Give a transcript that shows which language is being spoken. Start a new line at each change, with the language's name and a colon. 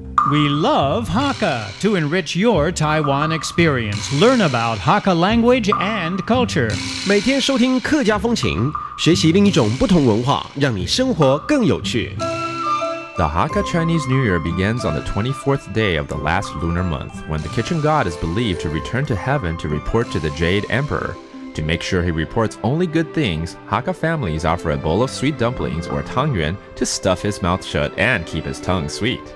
English: We love Hakka to enrich your Taiwan experience. Learn about Hakka language and culture.
Chinese: 每天收听客家风情，学习另一种不同文化，让你生活更有趣。
English: The Hakka Chinese New Year begins on the 24th day of the last lunar month, when the kitchen god is believed to return to heaven to report to the Jade Emperor. To make sure he reports only good things, Hakka families offer a bowl of sweet dumplings or tangyuan to stuff his mouth shut and keep his tongue sweet.